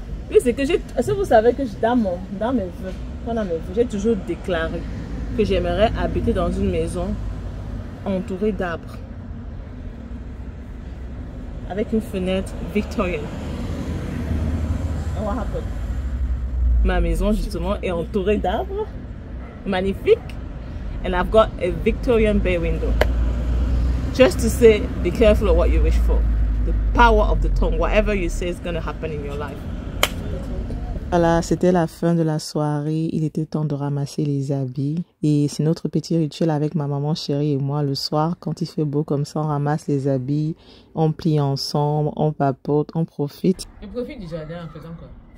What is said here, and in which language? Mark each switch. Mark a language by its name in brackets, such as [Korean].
[French] Oui, c'est que si vous savez que dans mes vœux, j'ai toujours déclaré que j'aimerais habiter dans une maison entourée d'arbres. Avec une fenêtre victorienne. [English] And what happened? [French] Ma maison, justement, est entourée d'arbres. Magnifique. [English] And I've got a Victorian bay window. Just to say, be careful of what you wish for. The power of the tongue, whatever you say is going to happen in your life. [French] Voilà, c'était la fin de la soirée. Il était temps de ramasser les habits. Et c'est notre petit rituel avec ma maman chérie et moi le soir. Quand il fait beau comme ça, on ramasse les habits. On plie ensemble, on papote, on profite. On profite du jardin en faisant quoi?